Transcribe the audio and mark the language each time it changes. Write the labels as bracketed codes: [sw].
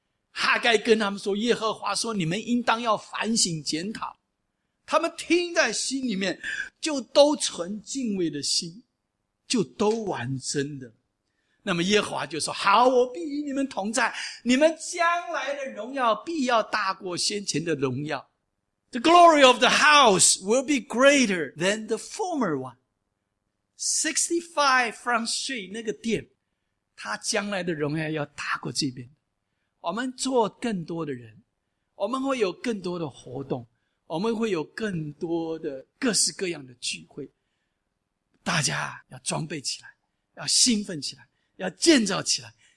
[zh] 哈该跟他们说，耶和华说你们应当要反省检讨，他们听在心里面就都存敬畏的心，就都完真的，那么耶和华就说，好，我必与你们同在，你们将来的荣耀必要大过先前的荣耀。 [en] The glory of the house will be greater than the former one. [zh] 65 Front Street 那个殿，他将来的荣耀要大过这边，我们做更多的人，我们会有更多的活动，我们会有更多的各式各样的聚会，大家要装备起来，要兴奋起来，要建造起来，